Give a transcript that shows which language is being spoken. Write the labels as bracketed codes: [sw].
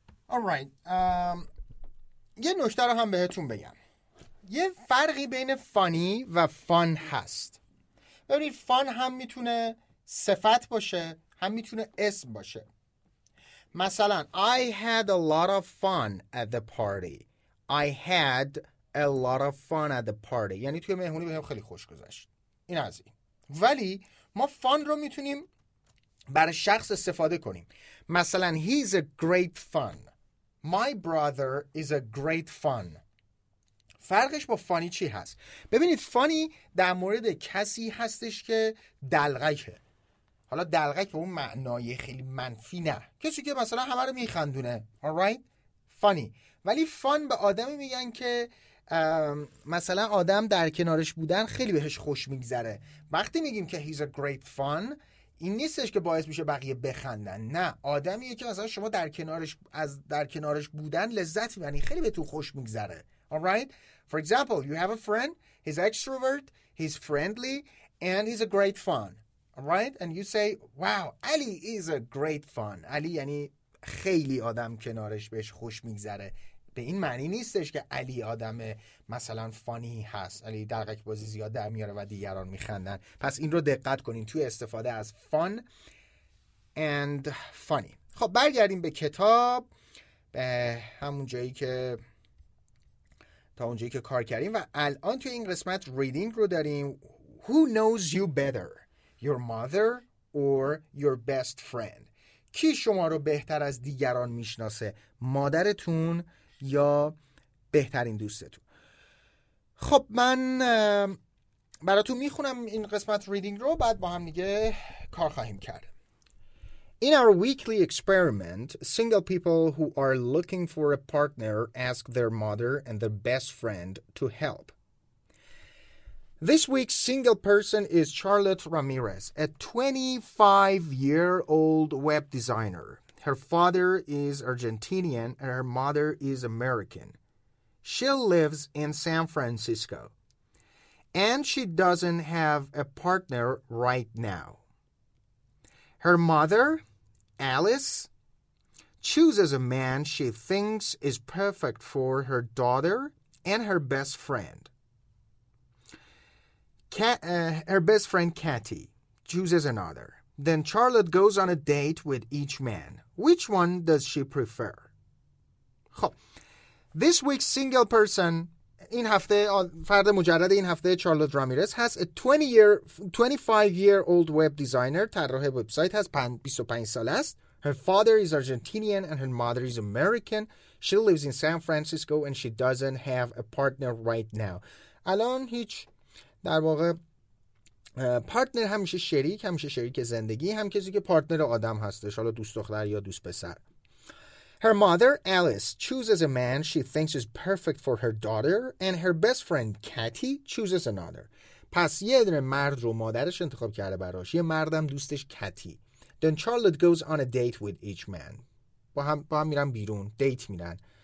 [fa] All right. یه نکته رو هم بهتون بگم. یه فرقی بین فانی و فان هست. ببینید، فان هم میتونه صفت باشه، هم میتونه اسم باشه. [en] مثلا I had a lot of fun at the party. I had a lot of fun at the party. [fa] یعنی توی مهمونی بهم خیلی خوش گذشت. این از این. ولی ما فان رو میتونیم برای شخص استفاده کنیم. مثلا [en] he's a great fun. My brother is a great fun. [fa] فرقش با funny چی هست؟ ببینید funny در مورد کسی هستش که دلغکه. حالا دلغک به اون معنای خیلی منفی نه. کسی که مثلا همه رو میخندونه. Alright? Funny. ولی fun به آدمی میگن که مثلا آدم در کنارش بودن خیلی بهش خوش میگذره. وقتی میگیم که [en] he's a great fun، [fa] این نیستش که باعث میشه بقیه بخندن، نه، آدمیه که مثلا شما در کنارش بودن لذت میبرین، خیلی به تو خوش میگذره. [en] Alright? For example, you have a friend, he's extrovert, he's friendly, and he's a great fun. Alright? And you say, wow, Ali is a great fun. [fa] Ali یعنی خیلی آدم کنارش بهش خوش میگذره. به این معنی نیستش که علی آدم مثلا فانی هست، علی دلقک بازی زیاد در میاره و دیگران میخندن. پس این رو دقت کنین توی استفاده از فان اند فانی. خب برگردیم به کتاب، به همون جایی که تا اونجایی که کار کردیم و الان توی این قسمت ریدینگ رو داریم. [en] Who knows you better, your mother or your best friend؟ [fa] کی شما رو بهتر از دیگران میشناسه، مادرتون یا بهترین دوستتون؟ خب من براتون میخونم این قسمت ریدینگ رو، بعد با هم دیگه کار خواهیم کرد. [en] In our weekly experiment, single people who are looking for a partner ask their mother and their best friend to help. This week's single person is Charlotte Ramirez, a 25-year-old web designer. Her father is Argentinian and her mother is American. She lives in San Francisco. And she doesn't have a partner right now. Her mother, Alice, chooses a man she thinks is perfect for her daughter and her best friend. Her best friend, Kathy, chooses another. Then Charlotte goes on a date with each man. Which one does she prefer? [fa] خب [en] this week's single person، [fa] این هفته فرد مجرد این هفته چارلوت رامیرز هست، [en] 25 year old web designer، [fa] طراح وبسایت هست، 25 سال است. [en] Her father is Argentinian and her mother is American. She lives in San Francisco and she doesn't have a partner right now. [fa] الان هیچ، در واقع پارتنر همیشه شریک، همیشه شریک زندگی، هم کسی که پارتنر آدم هستش، حالا دوست دختر یا دوست پسر. [en] Her mother, Alice, chooses a man she thinks is perfect for her daughter and her best friend, Kathy, chooses another. [fa] پس یه دونه مرد رو مادرش انتخاب کرده براش، یه مردم دوستش کتی. [en] Then Charlotte goes on a date with each man. [fa] با هم میرن بیرون، دیت میرن.